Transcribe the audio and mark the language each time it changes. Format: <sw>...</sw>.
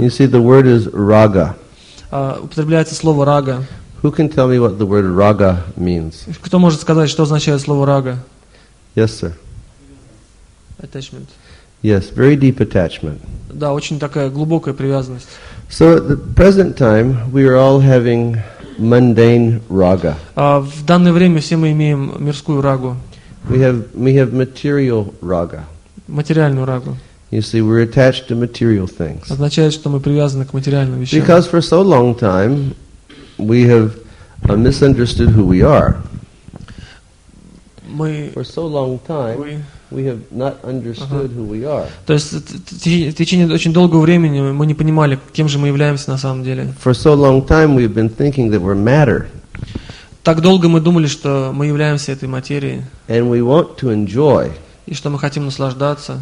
<en>You see, the word is raga.</en> <ru>Употребляется слово рага.</ru> <en>Who can tell me what the word raga means?</en> <ru>Кто может сказать, что означает слово рага?</ru> <en>Yes, sir. Attachment. Yes, very deep attachment.</en> <ru>Да, очень такая глубокая привязанность.</ru> <en>So at the present time, we are all having mundane raga.</en> <ru>В данное время все мы имеем мирскую рагу.</ru> <en>We have material raga.</en> <ru>Материальную рагу.</ru> <en>You see, we're attached to material things.</en> <ru>Означает, что мы привязаны к материальным вещам.</ru> <en>Because for so long time, we have misunderstood who we are. For so long time, we have not understood who we are.</en> <ru>То есть в течение очень долгого времени мы не понимали, кем же мы являемся на самом деле.</ru> <en>For so long time we've been thinking that we're matter.</en> <ru>Так долго мы думали, что мы являемся этой материей.</ru> <en>And we want to enjoy.</en> <ru>И что мы хотим наслаждаться.</ru>